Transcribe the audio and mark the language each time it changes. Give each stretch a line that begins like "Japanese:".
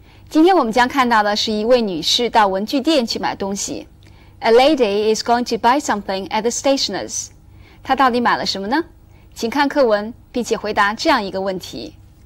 Chinese: 今天我们将看到的是一位女士到文具店去买东西。
English: A lady is going to buy something at the stationers.
Chinese: 她到底买了什么呢？请看课文并且回答这样一个问题。